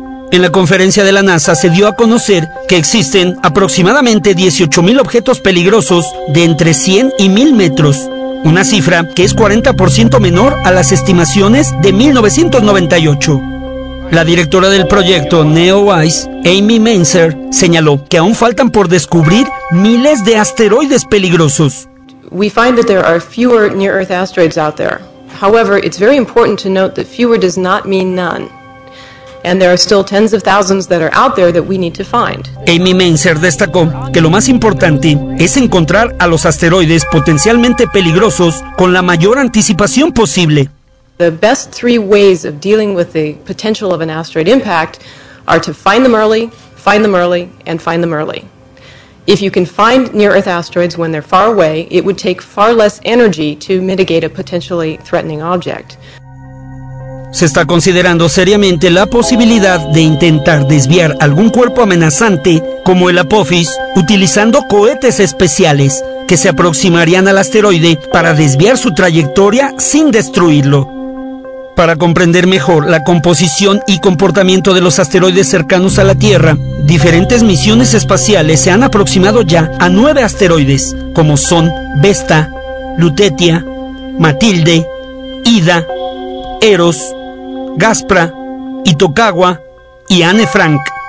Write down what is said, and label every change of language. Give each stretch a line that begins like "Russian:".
Spanish: En la conferencia de la NASA se dio a conocer que existen aproximadamente 18.000 objetos peligrosos de entre 100 y 1.000 metros, una cifra que es 40% menor a las estimaciones de 1998. La directora del proyecto NEOWISE, Amy Menzer, señaló que aún faltan por descubrir miles de asteroides peligrosos.
English: We find that there are fewer near-Earth asteroids out there. However, it's very important to note that fewer does not mean none. And there are still tens of thousands that are out there that we need to find.
Spanish: Amy Menzer destacó que lo más importante es encontrar a los asteroides potencialmente peligrosos con la mayor anticipación posible.
English: The best three ways of dealing with the potential of an asteroid impact are to find them early, and find them early. If you can find near-Earth asteroids when they're far away, it would take far less energy to mitigate a potentially threatening object.
Spanish: Se está considerando seriamente la posibilidad de intentar desviar algún cuerpo amenazante, como el Apophis, utilizando cohetes especiales que se aproximarían al asteroide para desviar su trayectoria sin destruirlo. Para comprender mejor la composición y comportamiento de los asteroides cercanos a la Tierra, diferentes misiones espaciales se han aproximado ya a 9 asteroides, como son Vesta, Lutetia, Matilde, Ida, Eros, Gaspra, Itokawa y Anne Frank.